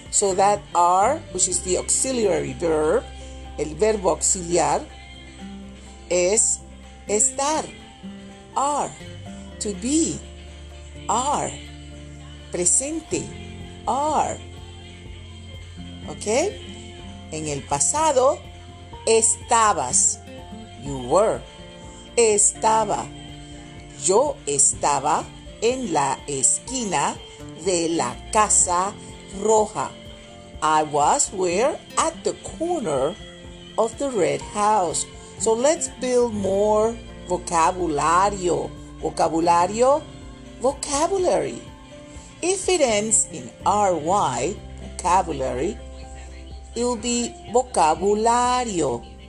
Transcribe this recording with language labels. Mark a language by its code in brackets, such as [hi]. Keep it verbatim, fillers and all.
[en] So that are, which is the auxiliary verb, [es] el verbo auxiliar, es estar, [en] are, to be, are, presente, are. [es] ¿Ok? En el pasado, estabas, [en] you were, [es] estaba, yo estaba en la esquina de la Casa Roja. [en] I was where? At the corner of the red house. So let's build more vocabulario. Vocabulario, vocabulary. If it ends in ry, vocabulary, it will be vocabulario.